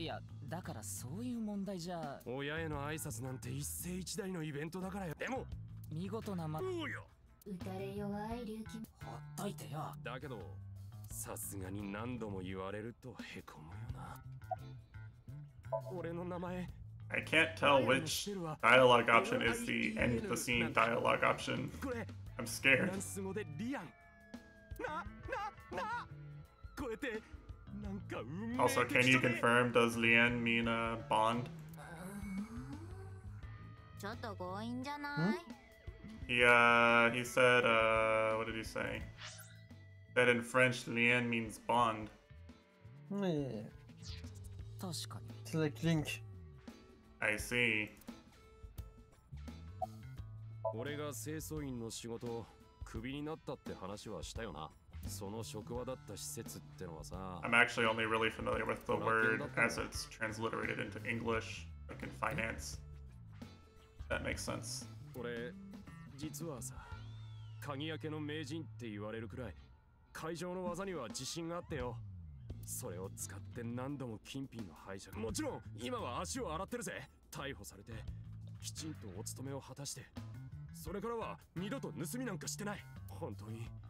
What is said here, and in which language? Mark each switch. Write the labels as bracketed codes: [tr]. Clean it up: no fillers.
[ja] いや、だからそういう問題じゃ。親への挨拶なんて一世一代のイベントだからよ。でも見事な、ま、うよ、打たれ弱い龍騎。ほっといてよ。だけどさすがに何度も言われるとへこむよな。俺の名前、 [en] I can't tell which dialogue option is the end of the scene dialogue option. I'm scared. [ja] フランス語でリアン。これってなんか運命的だね。 [en] Also, can you confirm, does Lian mean a bond? [ja] ちょっと強引じゃない？ [en] He said, what did he say? That in French, lien means bond. Yeah. It's like link. I see. [ja] 俺が清掃員の仕事をクビになったって話はしたよな。その職場だった施設ってのはさ。 [en] I'm actually only really familiar with the word as it's transliterated into English, like in finance. That makes sense. [ja] 俺実はさ、鍵開けの名人って言われるくらい会場の技には自信があってよ。それを使って何度も金品の拝借。もちろん今は足を洗ってるぜ。逮捕されてきちんとお勤めを果たして、それからは二度と盗みなんかしてない。本当に。